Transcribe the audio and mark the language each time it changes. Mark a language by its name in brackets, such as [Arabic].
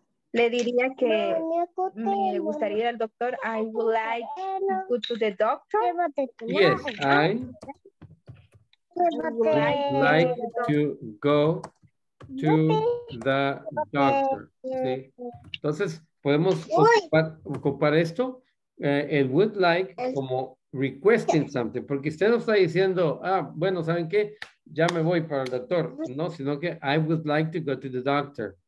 [Spanish] Le diría que me gustaría ir al doctor. [English] I would like to go to the doctor. Yes, I would like to go to the doctor. [Spanish] ¿Sí? Entonces, podemos ocupar esto. [English] It would like como requesting something. [Spanish] Porque usted no está diciendo, ah, bueno, ¿saben qué? Ya me voy para el doctor. No, sino que [English] I would like to go to the doctor.